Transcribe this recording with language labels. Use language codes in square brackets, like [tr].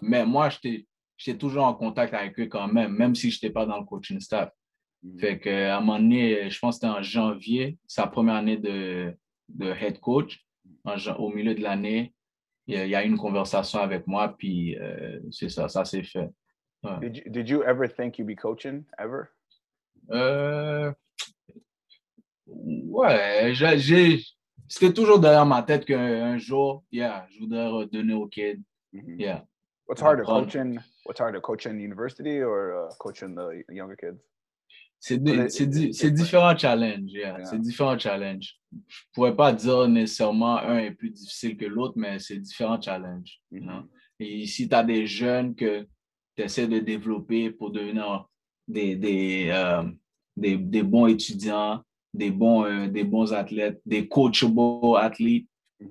[fr] Mais moi, j'étais toujours en contact avec eux quand même si je n'étais pas dans le coaching staff. Mm-hmm. Fait qu'à un moment donné, je pense que c'était en janvier, sa première année de head coach, au milieu de l'année, il y a eu une conversation avec moi, puis c'est ça, ça s'est fait. Ouais. [en] Did you ever think you'd be coaching, ever? [fr] Ouais, j'ai... C'était toujours derrière ma tête qu'un jour, je voudrais redonner aux kids. Mm-hmm. Yeah. [en] What's harder, coaching university or coaching the younger kids? [fr] C'est différents challenges, yeah. C'est différents challenges. Je ne pourrais pas dire nécessairement un est plus difficile que l'autre, mais c'est différents challenges. Mm-hmm. Et ici, tu as des jeunes que tu essaies de développer pour devenir des bons étudiants, des bons athlètes, des coachable athlètes. Mm-hmm.